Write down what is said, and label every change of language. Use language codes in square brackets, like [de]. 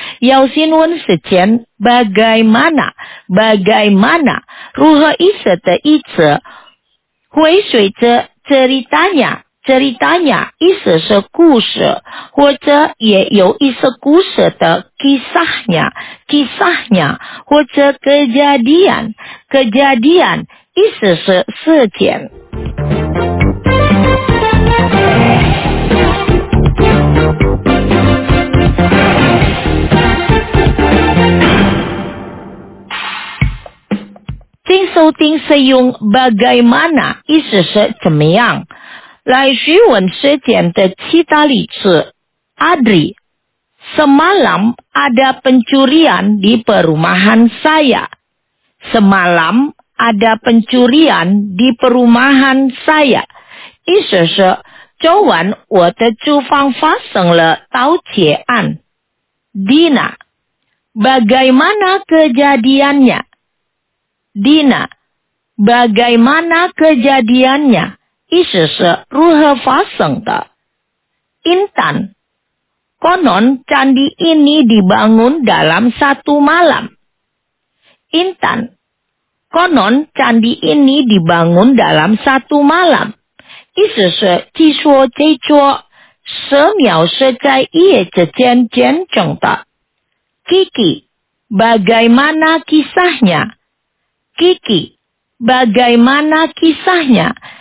[zh] 要询问时间 Bagaimana? [id] Bagaimana? [zh] 如何意思的意思会随着 Ceritanya? Ceritanya 意思是故事，或者也有一些故事的 Kisahnya? [id] Kisahnya 或者kejadian? [zh] Kejadian意思是事件。请收听使用 Bagaimana 意思是怎么样，来询问事件的其他例子。 [id] Adri， Semalam ada pencurian di perumahan saya。 Semalamada pencurian di perumahan saya. [zh] 意思是昨晚我的住房发生了盗窃案。 [id] Dina， bagaimana kejadiannya? Dina， bagaimana kejadiannya? [zh] 意思是如何发生的。 [id] Intan， konon candi ini dibangun dalam satu malam. Intan，Konon candi ini dibangun dalam satu malam. [zh] 意思是据说这座寺庙是在一夜之间建成的。 [id] Kiki, bagaimana kisahnya? Kiki, bagaimana kisahnya?